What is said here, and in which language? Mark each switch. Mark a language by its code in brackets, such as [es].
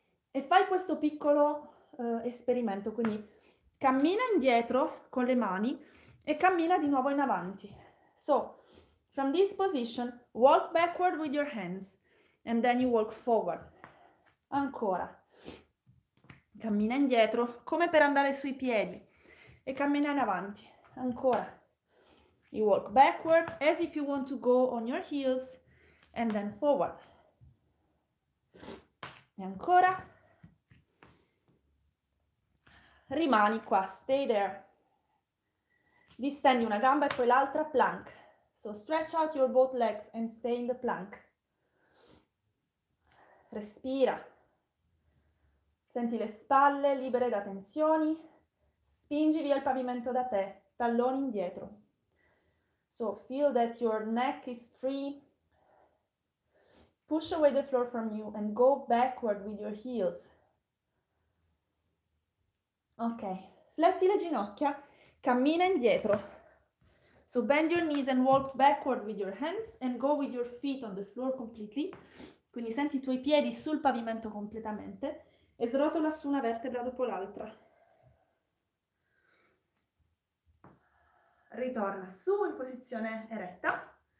[it] E fai questo piccolo esperimento, quindi cammina indietro con le mani e cammina di nuovo in avanti. [en] So, from this position, walk backward with your hands and then you walk forward. [it] Ancora. Cammina indietro, come per andare sui piedi, e cammina in avanti. Ancora. [en] You walk backward as if you want to go on your heels and then forward. [it] E ancora. Rimani qua, [en] stay there. [it] Distendi una gamba e poi l'altra, plank. [en] So stretch out your both legs and stay in the plank. [it] Respira. Senti le spalle libere da tensioni. Spingi via il pavimento da te, talloni indietro. [en] So feel that your neck is free. Push away the floor from you and go backward with your heels. [it] Ok, fletti le ginocchia, cammina indietro. [en] So bend your knees and walk backward with your hands and go with your feet on the floor completely. [it] Quindi senti i tuoi piedi sul pavimento completamente e srotola su una vertebra dopo l'altra. Ritorna su in posizione eretta.